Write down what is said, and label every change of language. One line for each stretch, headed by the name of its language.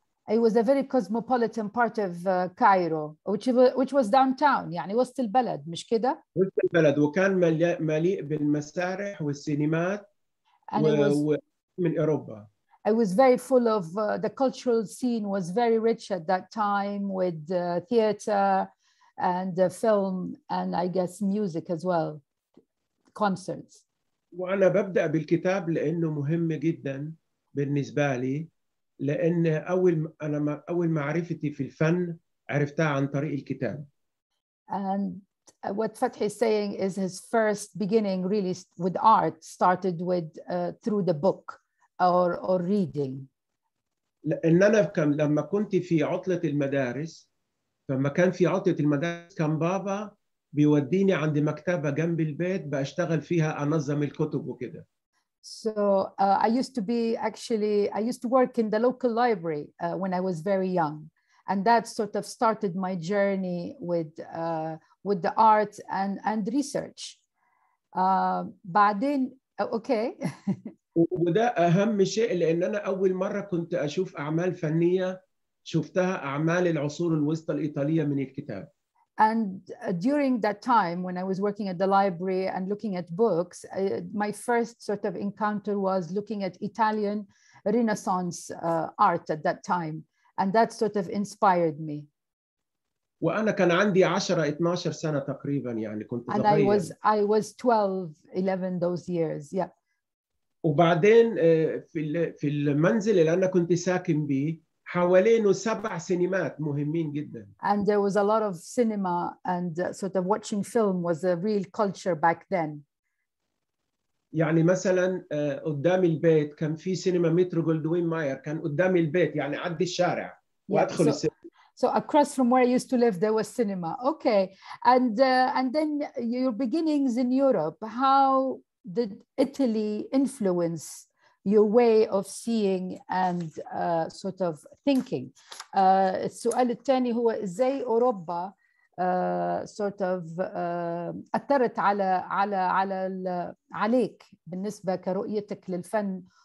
English: It was a very cosmopolitan part of Cairo, which was downtown.
Arabic: يعني وسط البلد مش كده؟ وسط البلد وكان مليء بالمسارح والسينمات من أوروبا.
English: It was very full of the cultural scene was very rich at that time with theater and film and I guess music as well, concerts.
Arabic: وأنا ببدأ بالكتاب لأنه مهم جدا بالنسبة لي لأن أول معرفتي في الفن عرفتها عن طريق الكتاب.
English: And what Fathi is saying is his first beginning really with art started with through the book. Or reading.
Arabic: لأن أنا لما كنت في عطلة المدارس فما كان في عطلة المدارس كان بابا بيوديني عند مكتبة جنب البيت بأشتغل فيها أنظم الكتب وكده.
English: So I used to work in the local library when I was very young, and that sort of started my journey with the art and research.
Arabic: بعدين okay. وده أهم شيء لأن أنا أول مرة كنت أشوف أعمال فنية شفتها أعمال العصور الوسطى الإيطالية من الكتاب.
English: And during that time when I was working at the library and looking at books, my first sort of encounter was looking at Italian Renaissance art at that time, and that sort of inspired me.
Arabic: وأنا كان عندي 10-12 سنة تقريبا يعني كنت صغير.
English: And I was 12-11 those years, yeah.
Arabic: وبعدين في المنزل اللي أنا كنت ساكن به حوالينه 7 سينمات مهمين جدا.
English: And there was a lot of cinema and sort of watching film was a real culture back then.
Arabic: يعني مثلا قدام البيت كان في سينما مترو جولدوين ماير كان قدام البيت يعني عدي الشارع وأدخل السينما.
English: So across from where I used to live, there was cinema. Okay. And then your beginnings in Europe, how did Italy influence your way of seeing and sort of thinking?
Arabic: السؤال الثاني هو إزاي أوروبا
English: sort of
Arabic: أثرت على على على عليك بالنسبة كرؤيتك للفن؟